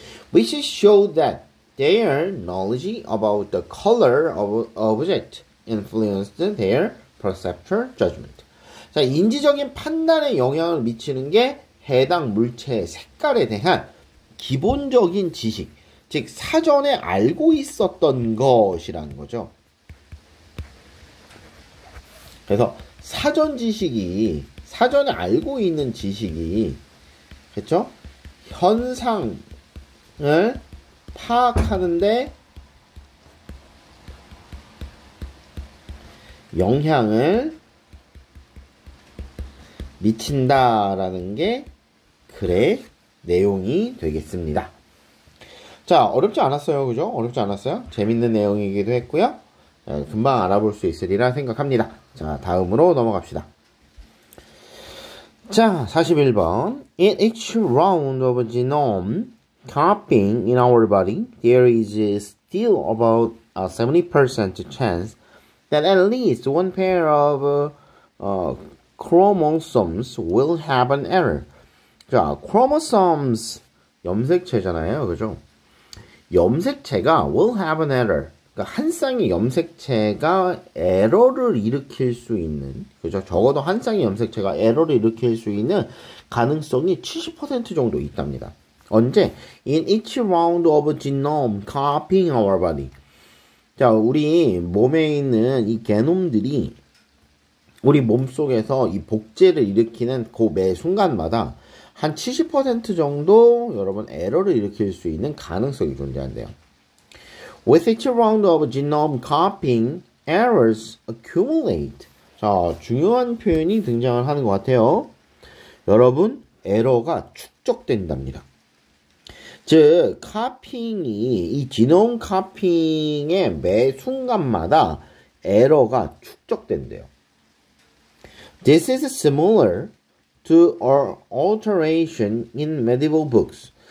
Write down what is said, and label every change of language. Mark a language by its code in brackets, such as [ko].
[en] which showed that their knowledge about the color of object influenced their perceptual judgment. [ko] 자, 인지적인 판단에 영향을 미치는 게 해당 물체의 색깔에 대한 기본적인 지식, 즉 사전에 알고 있었던 것이라는 거죠. 그래서 사전 지식이, 사전에 알고 있는 지식이, 그렇죠? 현상을 파악하는데 영향을 미친다라는 게 글의 내용이 되겠습니다. 자, 어렵지 않았어요. 그죠? 어렵지 않았어요? 재밌는 내용이기도 했고요. 금방 알아볼 수 있으리라 생각합니다. 자, 다음으로 넘어갑시다. 자, 41번. [en] In each round of genome copying in our body, there is still about a 70% chance that at least one pair of chromosomes will have an error. [ko] 자, chromosomes, 염색체잖아요. 그죠? 염색체가 [en] will have an error. [ko] 그러니까 한 쌍의 염색체가 에러를 일으킬 수 있는, 그죠? 적어도 한 쌍의 염색체가 에러를 일으킬 수 있는 가능성이 70% 정도 있답니다. 언제? [en] In each round of genome copying our body. [ko] 자, 우리 몸에 있는 이 게놈들이 우리 몸속에서 이 복제를 일으키는 그 매 순간마다 한 70% 정도 여러분 에러를 일으킬 수 있는 가능성이 존재한대요. [en] With each round of genome copying, errors accumulate. [ko] 자, 중요한 표현이 등장을 하는 것 같아요. 여러분, 에러가 축적된답니다. 즉, 카핑이, 이 지놈 카핑의 매 순간마다 에러가 축적된대요. [en] This is similar to an alteration in medieval books.